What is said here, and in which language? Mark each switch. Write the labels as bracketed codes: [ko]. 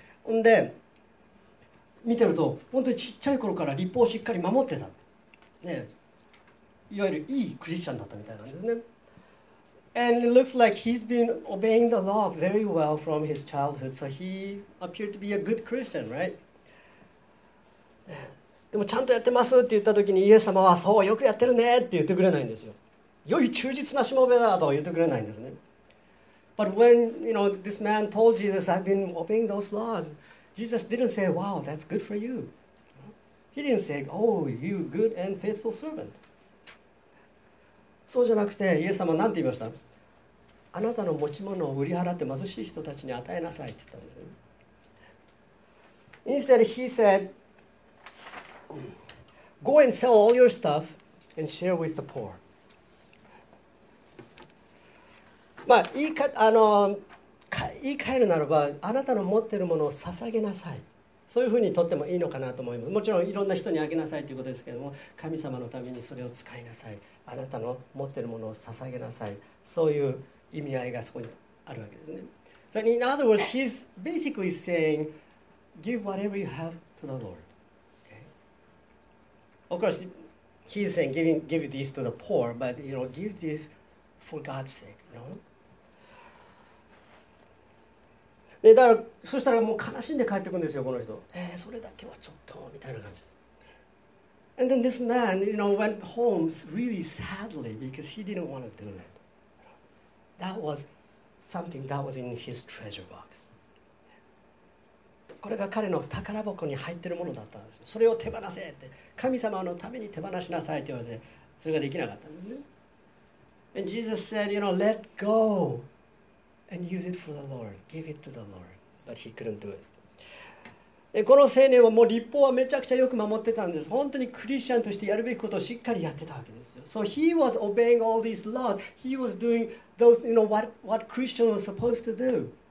[ja] んで、見てると、本当にちっちゃい頃から立法をしっかり守ってた。ね、いわゆるいいクリスチャンだったみたいなんですね。 [en] And it looks like he's been obeying the law very well from his childhood. So he appeared to be a good Christian, right? [ja] でもちゃんとやってますって言った時にイエス様はそうよくやってるねって言ってくれないんですよ。良い忠実なしもべだと言ってくれないんですね。 [en] But when, you know, this man told Jesus, I've been obeying those laws, Jesus didn't say, wow, that's good for you. He didn't say, oh, you good and faithful servant. [ja] そうじゃなくて、イエス様は何て言いました？あなたの持ち物を売り払って貧しい人たちに与えなさいって言ったんだよ。 [en] Instead, he said, go and sell all your stuff and share with the poor. [ja] まあ、言い換えるならば、あなたの持っているものを捧げなさい。そういうふうにとってもいいのかなと思います。もちろんいろんな人にあげなさいということですけれども、神様のためにそれを使いなさい。あなたの持っているものを捧げなさい。そういう意味合いがそこにあるわけですね。 [en] So in other words, he's basically saying, give whatever you have to the Lord. Okay. Of course, he's saying, give this to the poor, but you know, give this for God's sake. You know? [ja] でだからそしたらもう悲しんで帰ってくるんですよこの人。それだけはちょっとみたいな感じ。 [en] And then this man, you know, went home really sadly because he didn't want to do that. That was something that was in his treasure box. [ja] これが彼の宝箱に入ってるものだったんですよ。それを手放せって神様のために手放しなさいって言われてそれができなかったんですね。 [en] And Jesus said, you know, let go. And use it for the Lord. Give it to the Lord. But he couldn't do it. [ja] でこの青年はもう立法はめちゃくちゃよく守ってたんです。本当にクリスチャンとしてやるべきことをしっかりやってたわけですよ。 [en] So he was obeying all these laws. He was doing those, you know, what Christians were supposed to do.